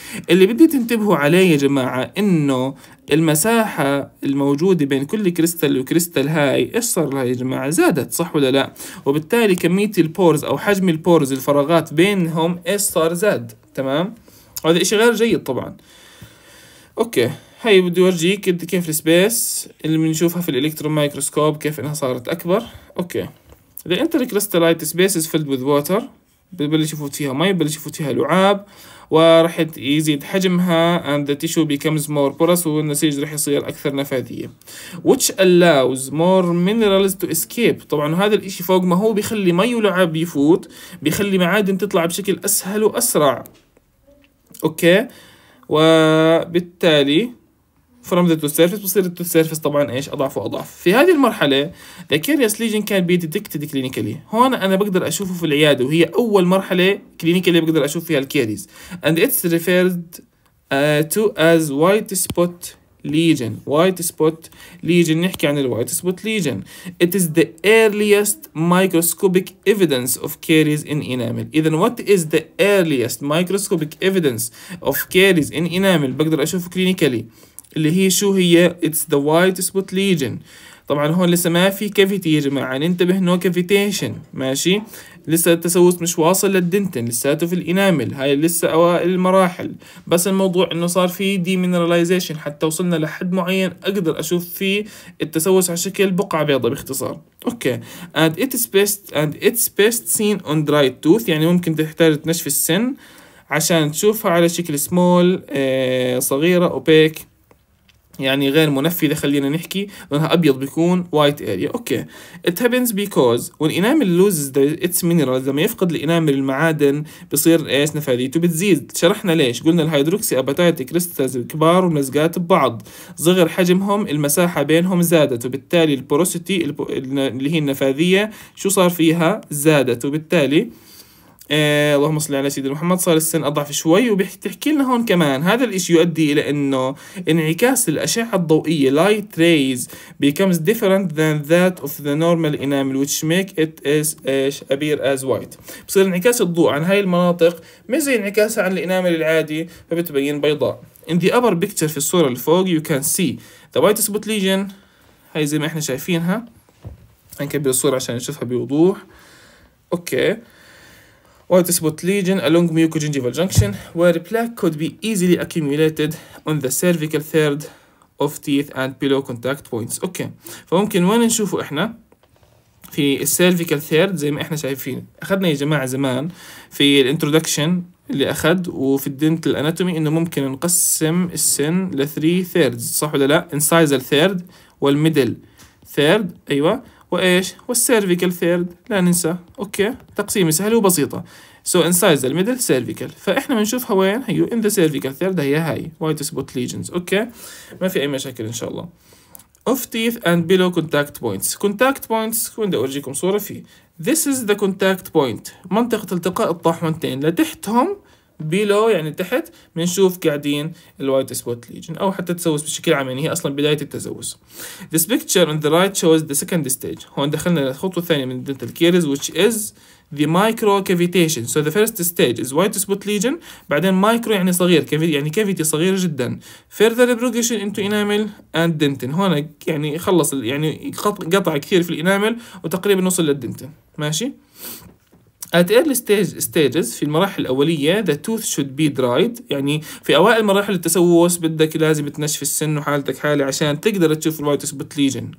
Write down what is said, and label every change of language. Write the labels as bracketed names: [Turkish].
[Arabic] اللي بدي تنتبهوا عليه يا جماعة انه المساحة الموجودة بين كل كريستال وكريستال هاي، ايش صار لها يا جماعة؟ زادت صح ولا لا؟ وبالتالي كمية البورز او حجم البورز الفراغات بينهم ايش صار؟ زاد. تمام؟ هذا اشي غير جيد طبعا. اوكي هاي بدي أورجيك كيف السبيس اللي بنشوفها في الإلكترون مايكروسكوب كيف إنها صارت أكبر. [English] okay, the intercrystallite space is filled with water، [Arabic] ببلش يفوت فيها مي، ببلش يفوت فيها لعاب، وراح يزيد حجمها [English] and the tissue becomes more porous، [Arabic] والنسيج راح يصير أكثر نفاذية، [English] which allows more minerals to escape. [Arabic] طبعا هذا الإشي فوق ما هو بيخلي مي ولعاب يفوت، بيخلي معادن تطلع بشكل أسهل وأسرع. أوكي، وبالتالي [English] from the to surface [Arabic] بصير to surface طبعا ايش اضعف واضعف. في هذه المرحلة [English] the caries lesion can be detected clinically، [Arabic] هون انا بقدر اشوفه في العيادة وهي اول مرحلة كلينيكالي بقدر اشوف فيها الكاريز، [English] and it's referred to as white spot lesion. white spot lesion نحكي عن ال white spot lesion. it is the earliest microscopic evidence of caries in enamel. إذن what is the earliest microscopic evidence of caries in enamel [Arabic] بقدر اشوفه [English] clinically [Arabic] اللي هي شو هي؟ [English] it's the white spot lesion. [Arabic] طبعا هون لسه ما في cavity يا جماعة، ننتبه [English] no cavitation، [Arabic] ماشي، لسه التسوس مش واصل للدنتن، لساته في الإنامل، هاي لسه أوائل المراحل، بس الموضوع إنه صار في demineralization حتى وصلنا لحد معين أقدر أشوف فيه التسوس على شكل بقعة بيضة باختصار. أوكي، [English] and it's best and it's best seen on dry tooth، [Arabic] يعني ممكن تحتاج تنشف السن عشان تشوفها على شكل small، صغيرة opaque يعني غير منفذة، خلينا نحكي لأنها أبيض بيكون white area. [English] okay it happens because when enamel loses its minerals، [Arabic] لما يفقد الإنامل المعادن بصير إيش نفاذيته بتزيد. شرحنا ليش، قلنا الهيدروكسي أباتايت كريستالز الكبار وملزقات ببعض صغر حجمهم، المساحة بينهم زادت، وبالتالي البوروسيتي اللي هي النفاذية شو صار فيها زادت، وبالتالي اللهم صل على سيدنا محمد صار السن أضعف شوي. وبتحكي لنا هون كمان هذا الإشي يؤدي إلى أنه انعكاس الأشعة الضوئية [English] light rays becomes different than that of the normal enamel which make it as appear as white، [Arabic] بصير انعكاس الضوء عن هاي المناطق مش زي انعكاسها عن الإنامل العادي فبتبين بيضاء. [English] in the upper picture [Arabic] في الصورة اللي فوق [English] you can see the white spot lesion، [Arabic] هاي زي ما احنا شايفينها، هنكبر الصورة عشان نشوفها بوضوح. [English] Okay, white spot lesion along mucogingival junction where plaque could be easily accumulated on the cervical third of teeth and below contact points. [Arabic] اوكي، فممكن وين نشوفه احنا؟ في cervical third زي ما احنا شايفين، اخذنا يا جماعه زمان في الانترودكشن اللي اخذ وفي الدنتال اناتومي انه ممكن نقسم السن ل 3 thirds، صح ولا لا؟ incisal third والميدل third، ايوه، وايش؟ والسيرفيكال ثيرد لا ننسى. [English] okay, [Arabic] تقسيم سهل وبسيطه، [English] so incisors الميدل cervical, [Arabic] فاحنا بنشوفها وين؟ [English] Here in the cervical third, هي هاي white spot lesions. [Arabic] اوكي، ما في اي مشاكل ان شاء الله. [English] of teeth and below contact points, [Arabic] كونتاكت بوينتس كنت اورجيكم صوره فيه، [English] this is the contact point, [Arabic] منطقه التقاء الطاحونتين لتحتهم بيلو يعني تحت بنشوف قاعدين الوايت سبوت ليجن او حتى تسوس بشكل عام، يعني هي اصلا بدايه التسوس. [English] This picture on the right shows the second stage، [Arabic] هون دخلنا للخطوه الثانيه من الدنتال كيريز [English] which is the micro cavitation. So the first stage is white spot lesion، بعدين micro [Arabic] يعني صغير، [English] يعني cavity صغير جدا. Further progression into enamel and dentin، [Arabic] هون يعني خلص يعني قطع كثير في الانامل وتقريبا وصل للدنتن، ماشي. [English] At early stages [Arabic] في المراحل الأولية [English] the tooth should be dried، [Arabic] يعني في أوائل مراحل التسوس بدك لازم تنشف السن وحالتك حالي عشان تقدر تشوف الوايت سبوت ليجن.